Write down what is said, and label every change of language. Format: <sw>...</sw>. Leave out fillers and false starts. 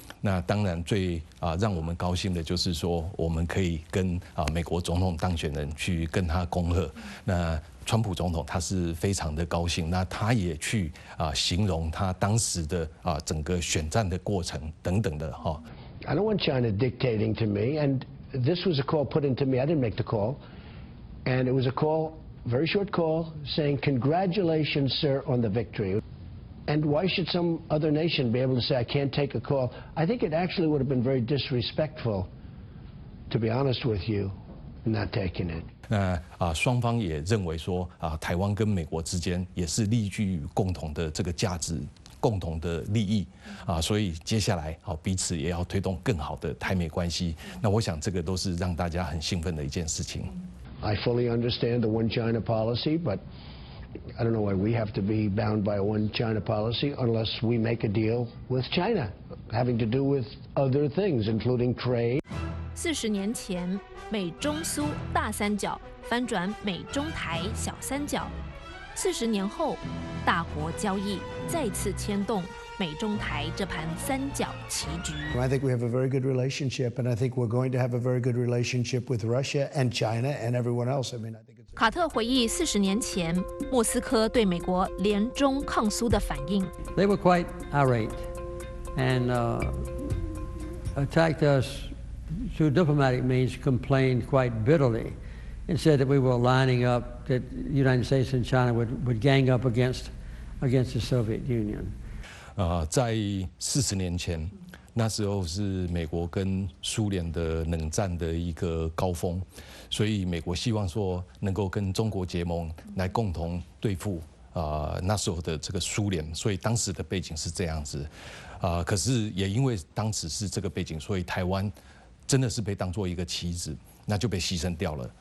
<zh>那当然最让我们高兴的就是说我们可以跟美国总统当选人去跟他恭贺。那川普总统他是非常的高兴，那他也去形容他当时的整个选战的过程等等的。</zh> <en>I don't want China dictating to me, and this was a call put into me. I didn't make the call. And it was a call, very short call, saying congratulations, sir, on the victory. And why should some other nation be able to say, I can't take a call? I think it actually would have been very disrespectful, to be honest with you, not taking it.</en> <zh>那双方也认为说台湾跟美国之间也是立足于共同的这个价值，共同的利益所以接下来彼此也要推动更好的台美关系。那我想这个都是让大家很兴奋的一件事情。</zh> <en>I fully understand the one China policy, butI don't know why we have to be bound by a one China policy unless we make a deal with China, having to do with other things, including trade.</en> <zh>40年前，美中苏大三角翻转美中台小三角。 40年后，大国交易再次牵动美中台这盘三角棋局。</zh> <en>I think we have a very good relationship, and I think we're going to have a very good relationship with Russia and China and everyone else. I mean, I think.</en> <zh>卡特回忆40年前莫斯科对美国联中抗苏的反应。</zh> <en>They were quite irate and attacked us through diplomatic means, complained quite bitterly, and said that we were lining up, that the United States and China would gang up against the Soviet Union.</en> <zh>在40年前，那时候是美国跟苏联的冷战的一个高峰。所以美国希望说能够跟中国结盟来共同对付那时候的这个苏联，所以当时的背景是这样子，可是也因为当时是这个背景，所以台湾真的是被当作一个棋子，那就被牺牲掉了。</zh>